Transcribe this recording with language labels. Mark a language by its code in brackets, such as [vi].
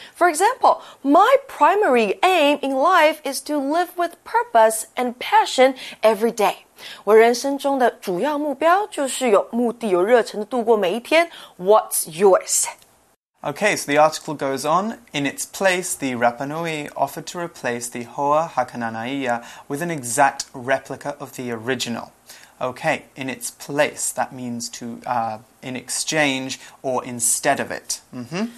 [en] For example, my primary aim in life is to live with purpose and passion every day. [zh] 我人生中的主要目标就是有目的,有热忱地度过每一天。 [en] What's yours? Okay, so the article goes on. In its place, the Rapa Nui offered to replace the Hoa Hakananaia with an exact replica of the original. Okay, in its place, that means to, in exchange or instead of it.、Mm-hmm.